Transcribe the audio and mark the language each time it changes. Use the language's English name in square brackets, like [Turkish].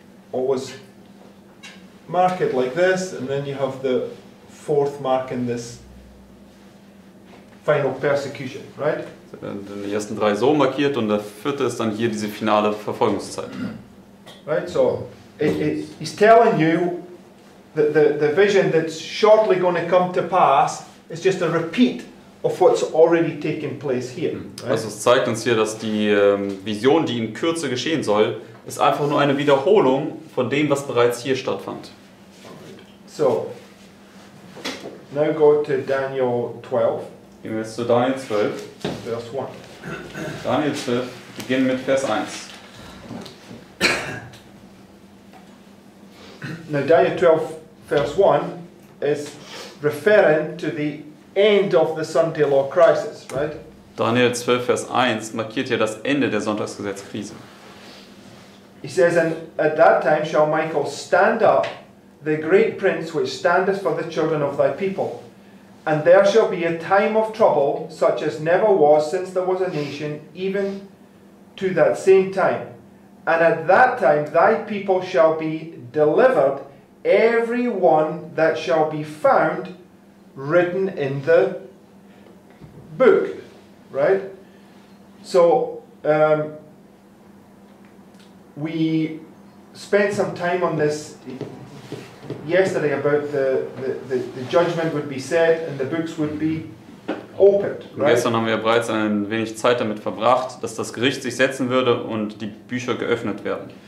[English] Always mark it like this, and then you have the fourth mark in this final persecution, right? [German] So werden die ersten drei so markiert und der vierte ist dann hier diese finale Verfolgungszeit. [English] Right, so he's telling you that the vision that's shortly going to come to pass is just a repeat of what's already taken place here. Right? [German] Also es zeigt uns hier, dass die Vision, die in Kürze geschehen soll, ist einfach nur eine Wiederholung von dem, was bereits hier stattfand. [English] So, now go to Daniel 12. [German] Gehen wir jetzt zu Daniel 12. Vers 1. Daniel 12, beginnen mit Vers 1. [English] Now Daniel 12, Vers 1, is referring to the end of the Sunday law crisis, right? [German] Daniel 12, Vers 1 markiert ja das Ende der Sonntagsgesetzkrise. [English] He says, and at that time shall Michael stand up, the great prince which standeth for the children of thy people. And there shall be a time of trouble such as never was since there was a nation, even to that same time. And at that time thy people shall be delivered, every one that shall be found written in the book, right? So, we spent some time on this yesterday about the judgment would be set and the books would be opened, right? [German] Gestern haben wir bereits ein wenig Zeit damit verbracht, dass das Gericht sich setzen würde und die Bücher geöffnet werden.